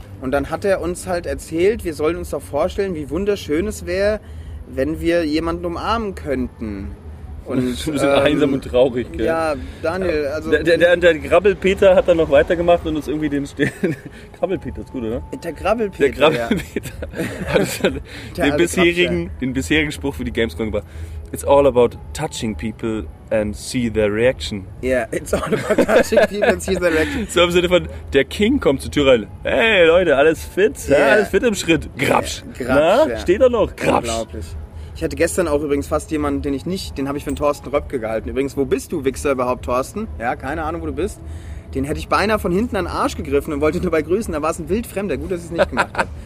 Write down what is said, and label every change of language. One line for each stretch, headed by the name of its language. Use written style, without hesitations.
German: Und dann hat er uns halt erzählt, wir sollen uns doch vorstellen, wie wunderschön es wäre, wenn wir jemanden umarmen könnten. Und sind einsam und traurig, gell? Ja, Daniel, also... Der Grabbelpeter hat dann noch weitergemacht und uns irgendwie dem stehen... Grabbelpeter ist gut, oder? Der Grabbelpeter, der Grabbelpeter, ja. Hat der den bisherigen Spruch für die Gamescom gemacht.
English: It's all about touching people and see their reaction. Yeah, it's all about touching people and see their reaction.
German: So im Sinne von, der King kommt zur Tür rein. Hey, Leute, alles fit? Yeah. Ja, alles fit im Schritt? Grabsch. Yeah. Grabsch, na, ja. Steht er noch? Grabsch. Unglaublich. Ich hatte gestern auch übrigens fast jemanden, den habe ich für einen Thorsten Röpke gehalten. Übrigens, wo bist du, Wichser, überhaupt, Thorsten? Ja, keine Ahnung, wo du bist. Den hätte ich beinahe von hinten an den Arsch gegriffen und wollte ihn dabei grüßen. Da war es ein Wildfremder. Gut, dass ich es nicht gemacht habe.